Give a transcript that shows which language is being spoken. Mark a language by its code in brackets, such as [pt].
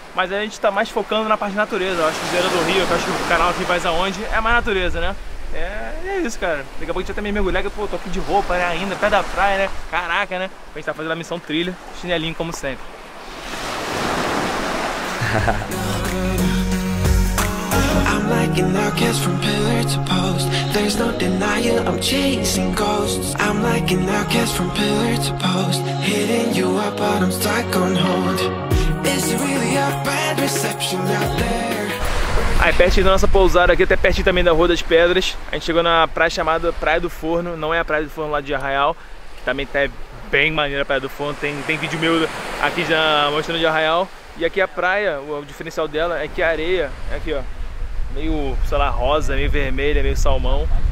[pt] Mas a gente tá mais focando na parte da natureza. Eu acho que o Zerando do Rio, que eu acho que o canal aqui faz aonde, é mais natureza, né? É isso, cara. Daqui a pouco a gente vai até mergulhar, que pô, tô aqui de roupa, né, ainda, pé da praia, né? Caraca, né? A gente tá fazendo a missão trilha, chinelinho como sempre. [en] I'm like an outcast from pillar to post. There's no denial, I'm chasing ghosts. I'm like an outcast from pillar to post. Hitting you up, but I'm stuck on hold. Is it really a bad reception out there? [pt] Aí perto da nossa pousada aqui, até pertinho também da Rua das Pedras, a gente chegou na praia chamada Praia do Forno. Não é a Praia do Forno lá de Arraial, que também tá bem maneira a Praia do Forno. Tem vídeo meu aqui já mostrando de Arraial. E aqui a praia, o diferencial dela é que a areia é aqui, ó, meio, sei lá, rosa, meio vermelha, meio salmão.